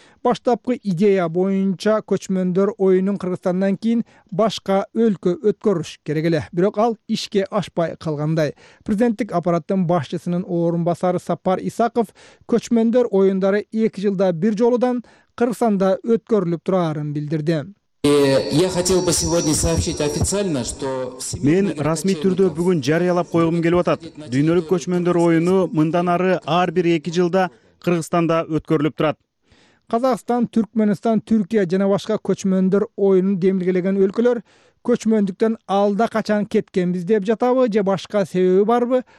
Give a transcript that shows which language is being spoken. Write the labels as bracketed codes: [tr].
[ky] Баштапкы идея боюнча көчмөндөр оюнун Кыргызстандан кийин башка өлкө өткөрүш керек эле. Бирок ал ишке ашпай калгандай. Президенттик аппараттын башчысынын орун басары Сапар Исаков көчмөндөр оюндары 2 жылда бир жолудан Кыргызстанда өткөрүлүп турарын билдирди. [ru] Я хотел бы сегодня сообщить официально, что [ky] мен расмий түрдө бүгүн жарыялап койгум келип атат. Дүйнөлүк көчмөндөр оюну мындан ары ар бир 2 жылда Кыргызстанда өткөрүлүп турат. Казакстан, Түркмөнстан, Түркия жана башка көчмөндөр оюнун демилгелеген өлкөлөр көчмөндүктөн алда качан кеткенбиз деп жатабы же башка себеби барбы?